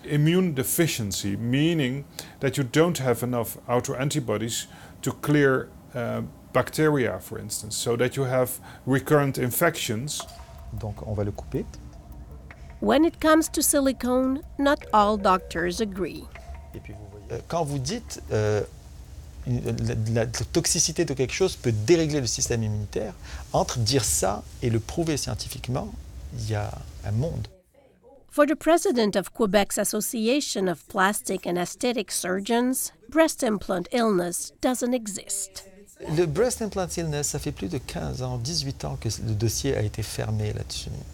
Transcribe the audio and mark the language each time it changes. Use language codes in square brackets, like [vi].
[en] Immune deficiency, meaning that you don't have enough autoantibodies to clear bacteria, for instance, so that you have recurrent infections. [fr] Donc on va le couper. [en] When it comes to silicone, not all doctors agree. [fr] Quand vous dites la toxicité de quelque chose peut dérégler le système immunitaire, entre dire ça et le prouver scientifiquement, il y a un monde. [en] For the president of Quebec's Association of Plastic and Aesthetic Surgeons, breast implant illness doesn't exist. [fr] Le [en] breast implant illness, [fr] ça fait plus de 15 ans, 18 ans que le dossier a été fermé là-dessus.